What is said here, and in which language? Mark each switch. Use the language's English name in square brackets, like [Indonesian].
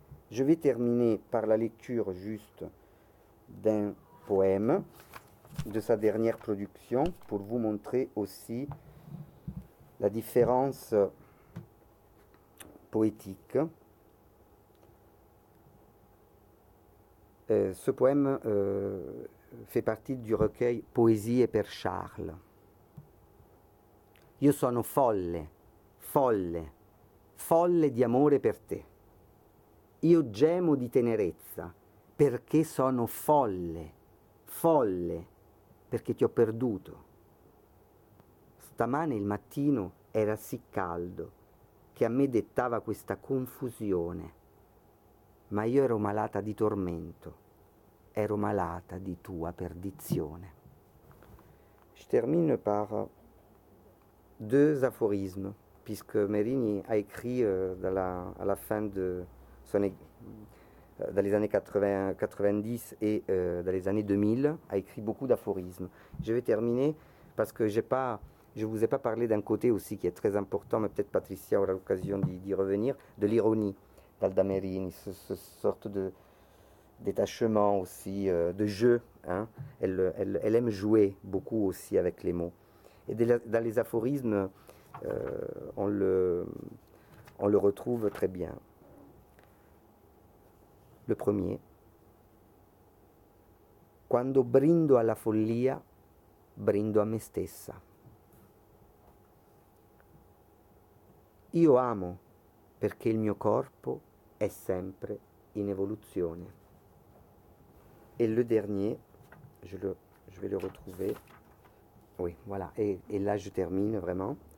[French] Je vais terminer par la lecture juste d'un poème de sa dernière production pour vous montrer aussi la différence poétique. Ce poème fait partie du recueil Poésie et Père Charles. [Italian] Io sono folle, folle, folle di amore per te. Io gemo di tenerezza perché sono folle, folle, perché ti ho perduto. Stamane il mattino era sì caldo che a me dettava questa confusione, ma io ero malata di tormento, ero malata di tua perdizione. [French] Je termine par deux aphorismes, puisque Merini a écrit à la fin de son dans les années 80, 90 et dans les années 2000, a écrit beaucoup d'aphorismes. Je vais terminer parce que j'ai pas, je ne vous ai pas parlé d'un côté aussi qui est très important, mais peut-être Patricia aura l'occasion d'y revenir, de l'ironie d'Alda Merini, ce sorte de détachement aussi, de jeu. Hein. Elle aime jouer beaucoup aussi avec les mots. Et dans les aphorismes, on le retrouve très bien. Le premier. [Italian] Quando brindo alla follia, brindo a me stessa. Io amo perché il mio corpo è sempre in evoluzione. [French] Et le dernier, je vais le retrouver. Oui, voilà. Et là, je termine vraiment.